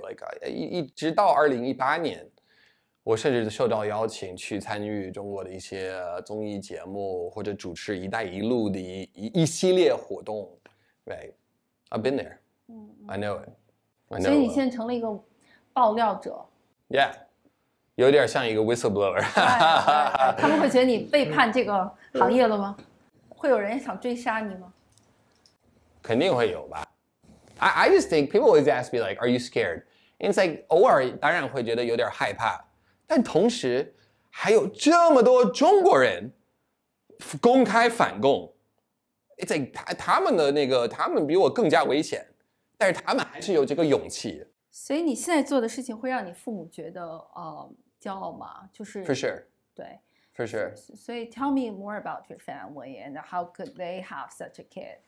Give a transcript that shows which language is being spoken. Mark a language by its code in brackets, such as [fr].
[zh] Like, 一直到2018年，我甚至受到邀请去参与中国的一些综艺节目，或者主持一带一路的一系列活动。 [en] Right. I've been there. I know it. [zh] 所以你现在成了一个爆料者。 Yeah. 有点像一个 whistleblower. 他们会觉得你背叛这个行业了吗？会有人想追杀你吗？肯定会有吧。 [en] I just think people always ask me like, are you scared? And it's like, [zh] 偶尔当然会觉得有点害怕，但同时还有这么多中国人公开反共。 [en] It's like, [zh] 他们的那个，他们比我更加危险，但是他们还是有这个勇气。所以你现在做的事情会让你父母觉得骄傲吗？就是 [en] For sure. [zh] 对 [en] For sure. So tell me more about your family and how could they have such a kid?